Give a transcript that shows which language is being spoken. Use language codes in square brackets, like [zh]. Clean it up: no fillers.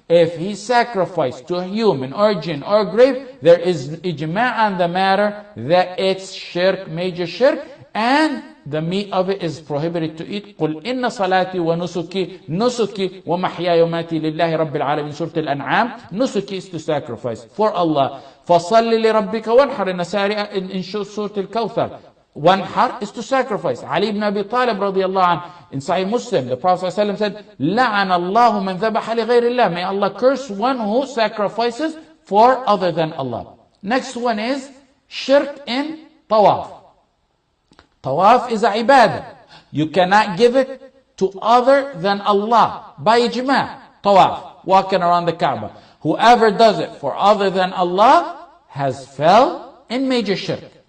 [en] If he sacrificed to a human or a jinn or a grave, there is ijma' on the matter that it's shirk, major shirk, and the meat of it is prohibited to eat. [ar] قُلْ إِنَّ صَلَاتِي وَنُسُكِي نُسُكِي وَمَحْيَايَ وَمَاتِي لِلَّهِ رَبِّ الْعَالَمِينَ سورة الأنعام. [en] Nusuki is to sacrifice for Allah. [ar] فَصَلِّ لِرَبِّكَ وَانْحَرْ النَّسَارِيَ [en] in [ar] سورة الكوثر. [en] وَانْحَرْ is to sacrifice. [ar] عَلِي بْنَ أَبِي طَالِبْ رَضِيَ اللَّهُ عَنْهُ [en] in Sahih Muslim, the Prophet ﷺ said, [ar] لَعَنَ اللَّهُ مَنْ ذَبَحَ لِغَيْرِ اللَّهِ. [en] May Allah curse one who sacrifices for other than Allah. Next one is shirk in tawaf. Tawaf is a ibadah. You cannot give it to other than Allah. By ijma', tawaf, walking around the Kaaba. Whoever does it for other than Allah has fell in major shirk.